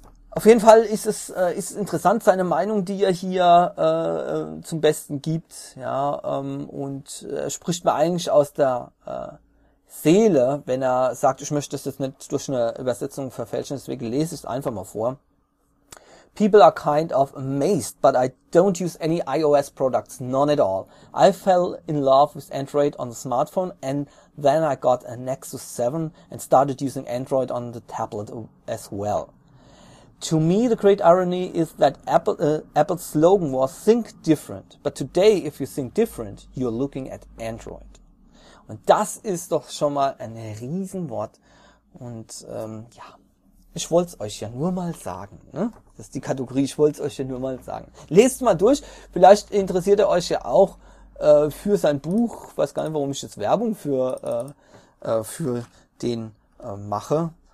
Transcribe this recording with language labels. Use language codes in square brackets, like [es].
[de] Auf jeden Fall ist es interessant, seine Meinung, die er hier zum Besten gibt. Ja, und er spricht mir eigentlich aus der Seele, wenn er sagt, ich möchte das jetzt nicht durch eine Übersetzung verfälschen, deswegen lese ich es einfach mal vor. [en] People are kind of amazed, but I don't use any iOS products, none at all. I fell in love with Android on the smartphone, and then I got a Nexus 7 and started using Android on the tablet as well. To me, the great irony is that Apple's slogan was "Think different," but today, if you think different, you're looking at Android. [de] Und das ist doch schon mal ein Riesenwort. Und ja, ich wollte es euch ja nur mal sagen. Ne? Das ist die Kategorie, ich wollte es euch ja nur mal sagen. Lest mal durch, vielleicht interessiert er euch ja auch für sein Buch. Weiß gar nicht, warum ich jetzt Werbung für den mache.